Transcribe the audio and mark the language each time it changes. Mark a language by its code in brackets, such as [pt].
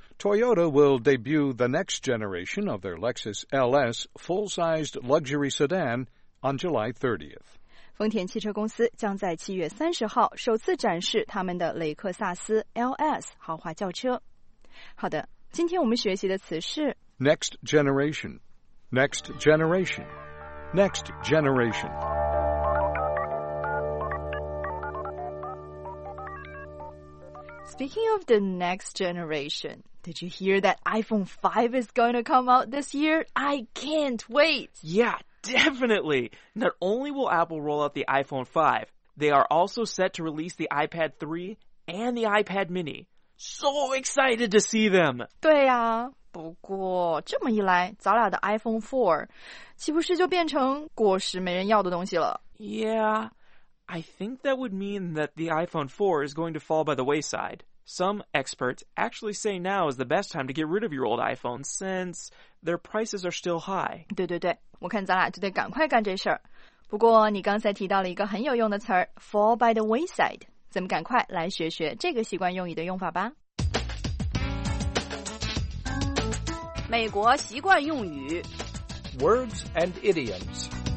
[en] Toyota will debut the next generation of their Lexus LS full-sized luxury sedan on July 30th. [zh] 丰田汽车公司将在7月30号首次展示他们的雷克萨斯 LS 豪华轿车。好的，今天我们学习的词是 [en] Next generation, next generation, next generation. Speaking of the next generation, did you hear that iPhone 5 is going to come out this year? I can't wait. Yeah, definitely. Not only will Apple roll out the iPhone 5, they are also set to release the iPad 3 and the iPad mini. So excited to see them. [zh] 对呀。不过这么一来，咱俩的 iPhone 4岂不是就变成果实没人要的东西了？ [en] Yeah, I think that would mean that the iPhone 4 is going to fall by the wayside. Some experts actually say now is the best time to get rid of your old iPhone since their prices are still high. [zh] 对对对，我看咱俩就得赶快干这事儿。不过你刚才提到了一个很有用的词儿 , [en] fall by the wayside. [zh] 咱们赶快来学学这个习惯用语的用法吧。美国习惯用语 [en] Words and idioms.